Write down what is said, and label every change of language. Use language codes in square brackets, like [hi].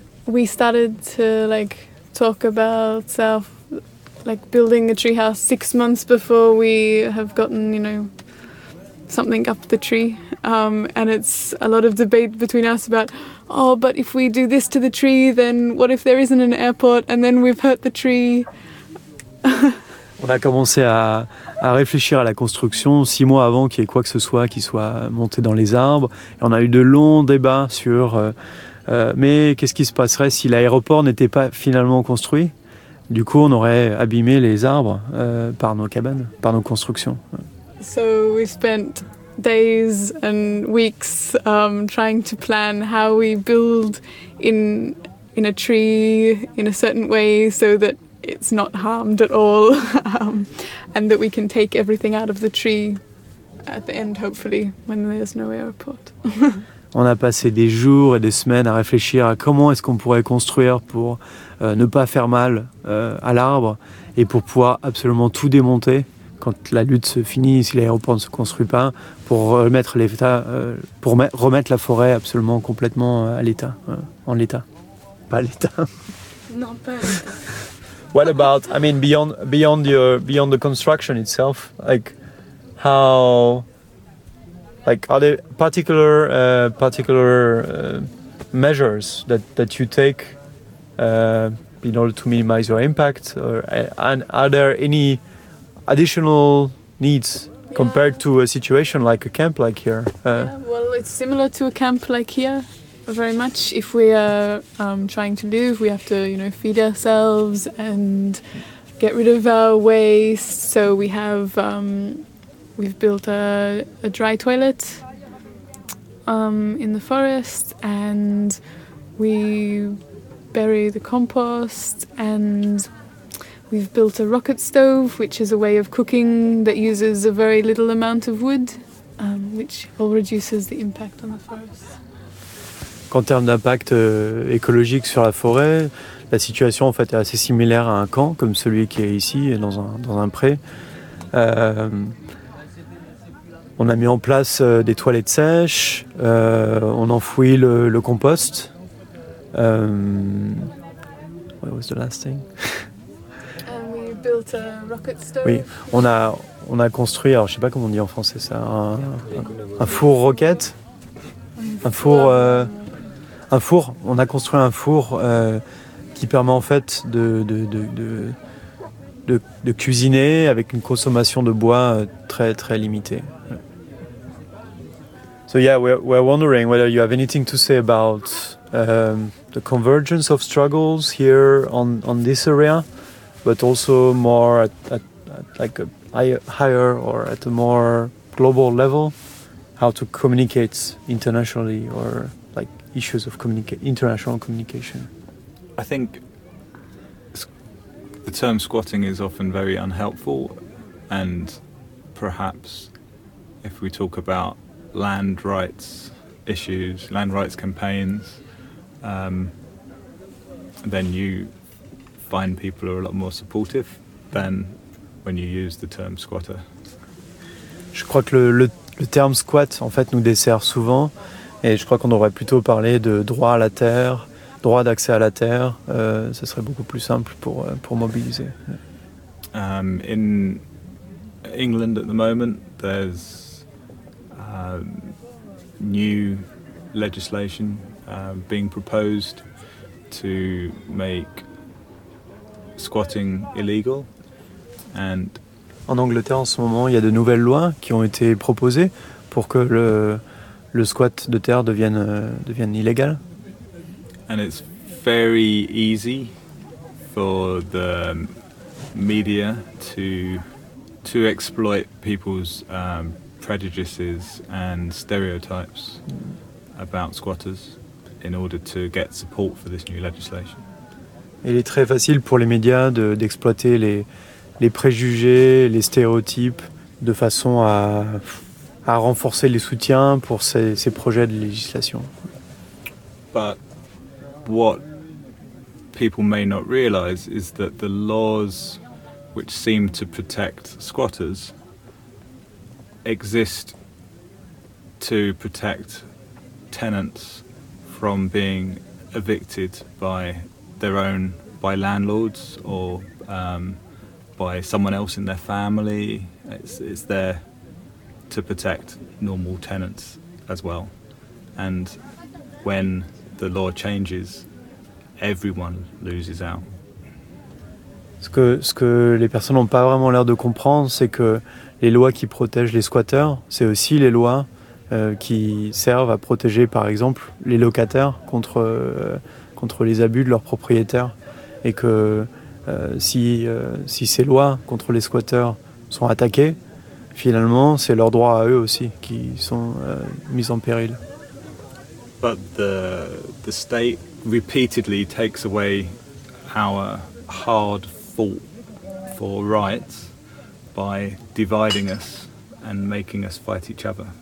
[en] We started to like talk about self, like building a treehouse 6 months before we have gotten, you know, something up the tree. And it's a lot of debate between us about, oh, but if we do this to the tree, then what if there isn't an airport and then we've hurt the tree? [fr] On a commencé à réfléchir à la construction 6 mois avant qu'il y ait quoi que ce soit qui soit monté dans les arbres. Et on a eu de longs débats sur mais qu'est-ce qui se passerait si l'aéroport n'était pas finalement construit? Du coup, on aurait abîmé les arbres par nos cabanes, par nos constructions. [en] So we spent days and weeks trying to plan how we build in a tree in a certain way so that it's not harmed at all and that we can take everything out of the tree at the end, hopefully, when there's no airport. [fr] On a passé des jours et des semaines à réfléchir à comment est-ce qu'on pourrait construire pour ne pas faire mal à l'arbre et pour pouvoir absolument tout démonter quand la lutte se finit, si l'aéroport ne se construit pas, pour remettre la forêt absolument complètement à l'état. En l'état. Pas à l'état. Non, pas à l'état. [en] What about, I mean, beyond the construction itself, like, how... Like, are there particular measures that you take in order to minimize your impact, and are there any additional needs compared to a situation like a camp like here? Well, it's similar to a camp like here, very much. If we are trying to live, we have to, you know, feed ourselves and get rid of our waste. So we have. We've built a dry toilet in the forest and we bury the compost and we've built a rocket stove, which is a way of cooking that uses a very little amount of wood, which all reduces the impact on the forest. [fr] En termes d'impact écologique sur la forêt, la situation en fait est assez similaire à un camp comme celui qui est ici, dans un pré. On a mis en place des toilettes sèches, on enfouit le compost. [en] What was the last thing? We built a rocket stove. [fr] Oui, on a construit, alors je sais pas comment on dit en français ça, un four roquette, un four. Un four, on a construit un four qui permet en fait de cuisiner avec une consommation de bois très très limitée. [en] So yeah, we're wondering whether you have anything to say about the convergence of struggles here on this area, but also more at like a higher or at a more global level, how to communicate internationally or issues of international communication. I think the term squatting is often very unhelpful, and perhaps if we talk about land rights issues, land rights campaigns, then you find people are a lot more supportive than when you use the term squatter. [fr] Je crois que le terme squat en fait nous dessert souvent. Et je crois qu'on devrait plutôt parler de droit à la terre, droit d'accès à la terre. Ce serait beaucoup plus simple pour mobiliser. [en] In England at the moment, there's new legislation being proposed to make squatting illegal. And [fr] en Angleterre, en ce moment, il y a de nouvelles lois qui ont été proposées pour que le squat de terre devienne illégal. [en] And it's very easy for the media to exploit people's prejudices and stereotypes about squatters in order to get support for this new legislation. [fr] Il est très facile pour les médias d'exploiter les préjugés, les stéréotypes de façon à renforcer les soutiens pour ces projets de législation. [en] But what people may not realize is that the laws which seem to protect squatters exist to protect tenants from being evicted by their own, by landlords or by someone else in their family. It's their to protect normal tenants as well. And when the law changes, everyone loses out. [fr] Ce que les personnes n'ont pas vraiment l'air de comprendre, c'est que les lois qui protègent les squatteurs, c'est aussi les lois qui servent à protéger, par exemple, les locataires contre les abus de leurs propriétaires. Et que si ces lois contre les squatteurs sont attaquées, finalement, c'est leurs droits à eux aussi qui sont mis en péril. [en] But the state repeatedly takes away our hard-fought for rights by dividing us and making us fight each other.